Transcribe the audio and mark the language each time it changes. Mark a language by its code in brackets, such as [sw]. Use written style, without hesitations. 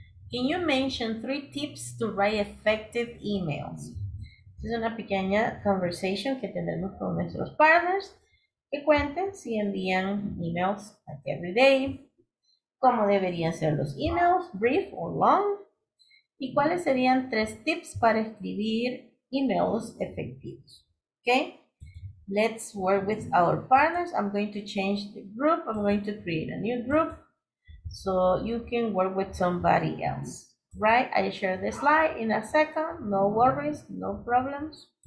[en] Can you mention 3 tips to write effective emails? [es] Es una pequeña conversation que tendremos con nuestros partners que cuenten si envían emails [en] like every day. [es] ¿Cómo deberían ser los emails? ¿Brief o long? ¿Y cuáles serían 3 tips para escribir emails efectivos? [en] Okay, let's work with our partners. I'm going to change the group. I'm going to create a new group so you can work with somebody else. Right, I share the slide in a second. No worries, no problems.